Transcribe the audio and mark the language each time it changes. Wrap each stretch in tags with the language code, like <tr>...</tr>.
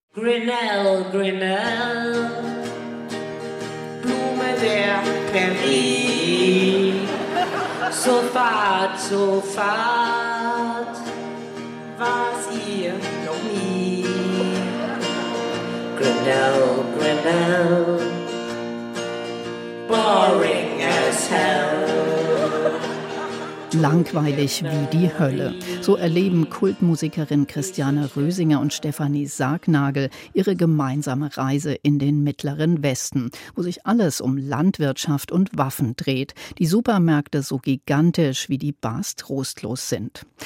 <de>Grinnell, Grinnell, Blume der Prärie, so fad, war's hier noch nie.</de> <en>Grinnell, Grinnell, boring as hell.</en> <de>langweilig wie die Hölle. So erleben Kultmusikerin Christiane Rösinger und Stefanie Sargnagel ihre gemeinsame Reise in den Mittleren Westen, wo sich alles um Landwirtschaft und Waffen dreht, die Supermärkte so gigantisch wie die Bars trostlos sind.</de>